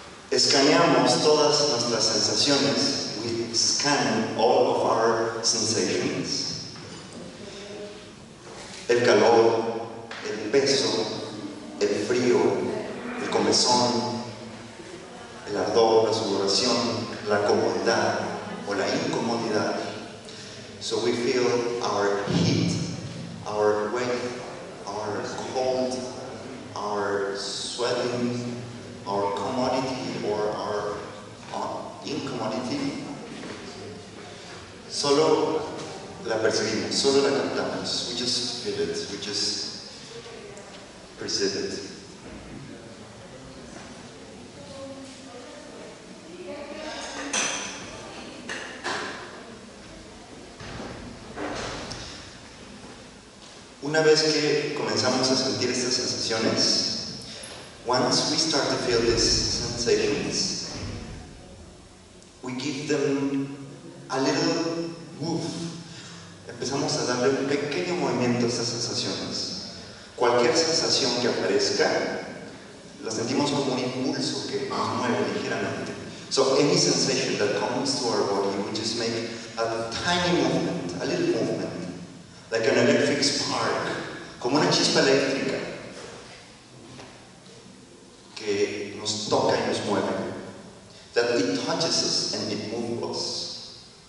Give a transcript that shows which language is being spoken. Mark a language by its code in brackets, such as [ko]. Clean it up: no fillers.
[es] Escaneamos todas nuestras sensaciones. [en] We scan all of our sensations. [es] El calor, el peso, el frío, el comezón, el ardor, la sudoración, la comodidad o la incomodidad. [en] So we feel our heat, our weight, our cold, our sweating, our commodity or our incommodity. [es] Solo la percibimos, solo la captamos. [en] We just feel it, we just perceive it. [es] Una vez que comenzamos a sentir estas sensaciones, [en] once we start to feel these sensations, we give them a little move. [es] Empezamos a darle un pequeño movimiento a estas sensaciones. Cualquier sensación que aparezca, la sentimos como un impulso que nos mueve ligeramente. [en] So any sensation that comes to our body, we just make a tiny movement, a little movement. Like an electric spark, [es] como una chispa eléctrica que nos toca y nos mueve. [en] That it touches us and it moves us.